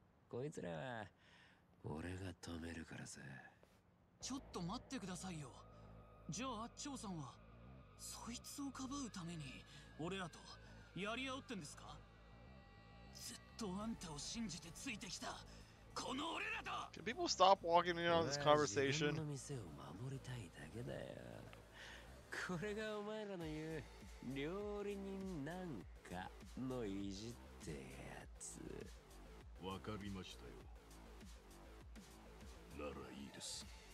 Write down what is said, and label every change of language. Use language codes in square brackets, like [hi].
[ja] こいつらは俺が止めるからさ。ちょっと待ってくださいよ。じゃあ長さんはそいつをかばうために俺らとやり合おうってんですか。ずっとあんたを信じてついてきたこの俺らと。 [en] Can people stop walking in on this conversation? [ja] 自分の店を守りたいだけだよ。これがお前らの言う料理人なんか。かのいじってやつ。わかりましたよ。ならいいです。